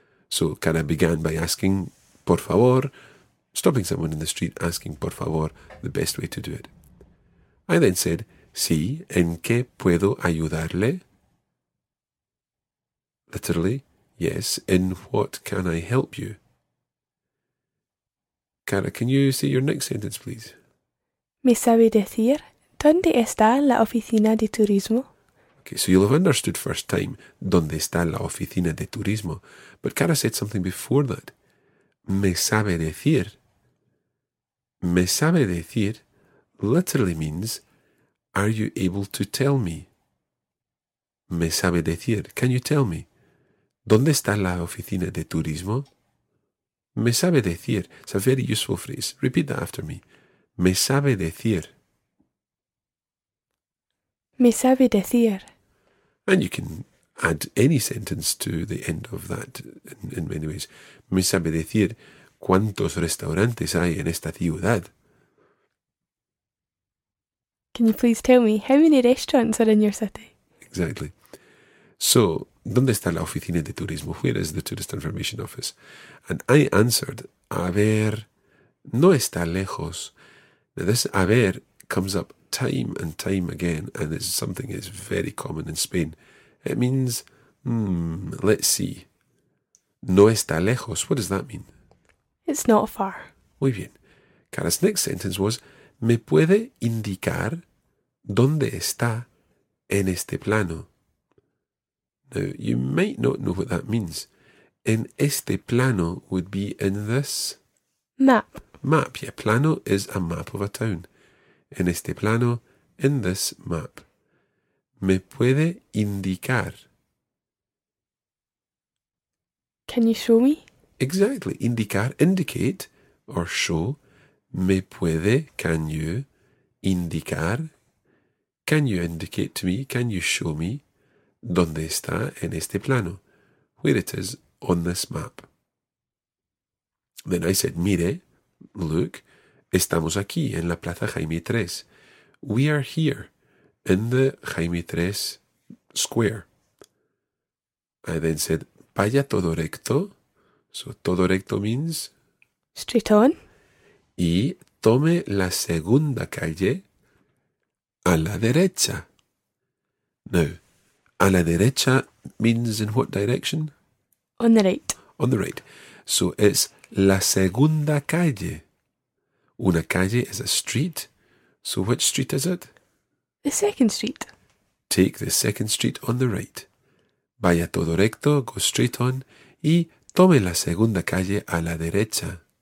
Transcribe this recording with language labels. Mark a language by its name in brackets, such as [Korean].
[English] So, Cara began by asking, por favor, stopping someone in the street, asking, por favor, the best way to do it. I then said, [Spanish] sí, ¿en qué puedo ayudarle? [English] Literally, yes, in what can I help you? Cara, can you say your next sentence, please? [Spanish] ¿Me sabe decir dónde está la oficina de turismo? [English] Okay, so you'll have understood first time, [Spanish] ¿dónde está la oficina de turismo? [English] But Cara said something before that. [Spanish] ¿Me sabe decir? ¿Me sabe decir? [English] Literally means, are you able to tell me? [Spanish] ¿Me sabe decir? [English] Can you tell me? [Spanish] ¿Dónde está la oficina de turismo? ¿Me sabe decir? [English] It's a very useful phrase. Repeat that after me. [Spanish] Me sabe decir. Me sabe decir. [English] And you can add any sentence to the end of that in many ways. [Spanish] Me sabe decir cuántos restaurantes hay en esta ciudad. [English] Can you please tell me how many restaurants are in your city? Exactly. So, [Spanish] ¿dónde está la oficina de turismo? [English] Where is the tourist information office? And I answered, [Spanish] a ver, no está lejos. [English] Now this a ver comes up time and time again, and it's something that's very common in Spain. It means, let's see. [Spanish] No está lejos. [English] What does that mean? It's not far. [Spanish] Muy bien. [English] Cara's next sentence was, [Spanish] ¿me puede indicar dónde está en este plano? [English] Now, you might not know what that means. [Spanish] En este plano [English] would be in this... Map. Map, yeah. Plano is a map of a town. [Spanish] En este plano, [English] in this map. [Spanish] ¿Me puede indicar? [English] Can you show me? Exactly. Indicar, indicate, or show. [Spanish] ¿Me puede, [English] can you, indicar? Can you indicate to me, can you show me, [Spanish] dónde está en este plano? [English] Where it is on this map. Then I said, mire... [Spanish] Look, estamos aquí en la Plaza Jaime III. [English] We are here in the Jaime III Square. I then said, [Spanish] vaya todo recto. [English] So, [Spanish] todo recto [English] means... Straight on. [Spanish] Y tome la segunda calle a la derecha. [English] Now, [Spanish] a la derecha [English] means in what direction? On the right. On the right. So, it's [Spanish] la segunda calle. [English] Una calle is a street. So which street is it? The second street. Take the second street on the right. [Spanish] Vaya todo recto, [English] go straight on, [Spanish] y tome la segunda calle a la derecha.